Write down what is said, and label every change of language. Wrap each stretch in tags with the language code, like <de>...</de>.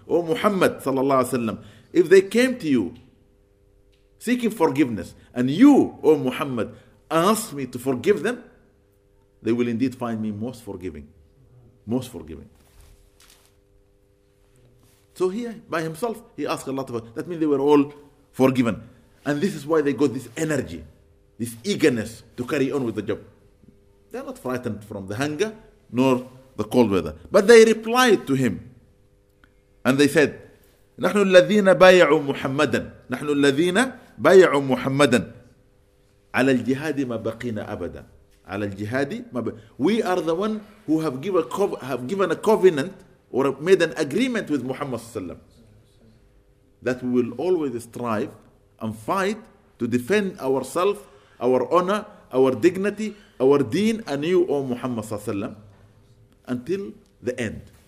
<en>O Muhammad صلى الله عليه وسلم, if they came to you seeking forgiveness, and you, O Muhammad, ask me to forgive them, they will indeed find me most forgiving. Most forgiving. So here, by himself, he asked Allah to forgive. That means they were all forgiven. And this is why they got this energy, this eagerness to carry on with the job. They are not frightened from the hunger, nor the cold weather. But they replied to him, and they said,</en> <ar>نحن الذين بايعوا محمدا نحن الذين بايعوا محمدا على الجهاد ما بقينا أبدا على الجهاد ما ب...</ar> <en>We are the one who have given a covenant or made an agreement with Muhammad sallam that we will always strive and fight to defend ourselves, our honor, our dignity, our deen, and you, O Muhammad sallam, until the end.</en>